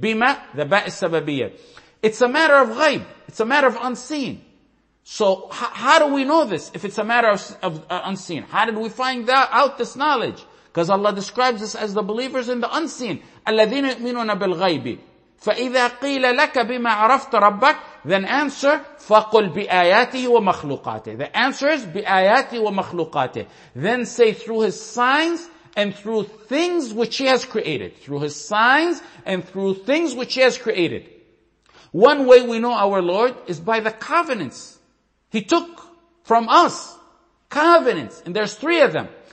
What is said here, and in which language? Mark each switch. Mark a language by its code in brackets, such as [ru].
[en] Bima, the ba' al-sababiyyah. It's a matter of ghaib. It's a matter of unseen. So how do we know this if it's a matter of unseen? How did we find that out, this knowledge? Because Allah describes us as the believers in the unseen. [ar] الَّذِينَ يُؤْمِنُونَ بِالْغَيْبِ فَإِذَا قِيلَ لَكَ بِمَا عَرَفْتَ رَبَّكَ. [en] Then answer, [ar] فَقُلْ بِآيَاتِهِ وَمَخْلُقَاتِهِ. [en] The answer is, [ar] بِآيَاتِهِ وَمَخْلُقَاتِهِ. [en] Then say, through His signs and through things which He has created. Through His signs and through things which He has created. One way we know our Lord is by the covenants He took from us. Covenants. And there's three of them.